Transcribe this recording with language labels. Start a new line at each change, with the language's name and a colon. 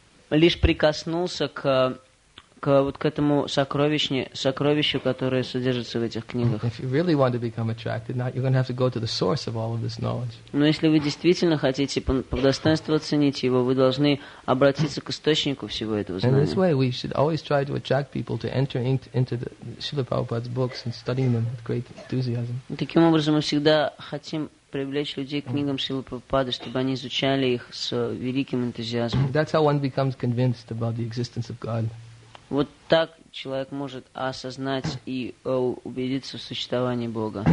Russian: Я лишь прикоснулся к этому сокровищу, которое содержится в этих книгах.
English: If you really want to become attracted, now you're going to have to go to the source of all of this knowledge.
Russian: Но если вы действительно хотите по достоинству оценить его, вы должны обратиться к источнику всего этого знания.
English: In this way, we should always try to attract people to enter into the Srila Prabhupada's books and studying them with great enthusiasm.
Russian: Таким образом, мы всегда хотим привлечь людей к книгам Шрилы Прабхупады, чтобы они изучали их с великим энтузиазмом.
English: That's how one becomes convinced about the existence of God.
Russian: Вот так человек может осознать и убедиться в существовании Бога.